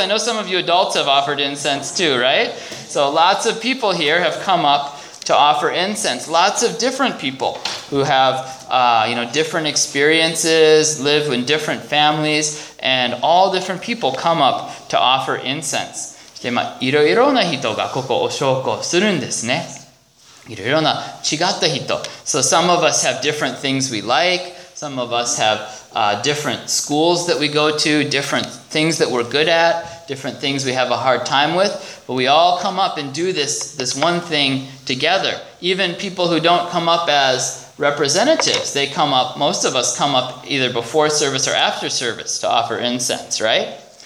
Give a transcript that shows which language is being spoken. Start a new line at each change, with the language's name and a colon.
English: I know some of you adults have offered incense too, right? So lots of people here have come up to offer incense. Lots of different people who have, different experiences, live in different families, and all different people come up to offer incense.
Japanese: で、まあ、いろいろな人がここお焼香するんですね。いろいろな違った人。
English: So some of us have different things we like. Some of us have different schools that we go to, different things that we're good at, different things we have a hard time with. But we all come up and do this one thing together. Even people who don't come up as representatives, they come up, most of us come up either before service or after service to offer incense, right?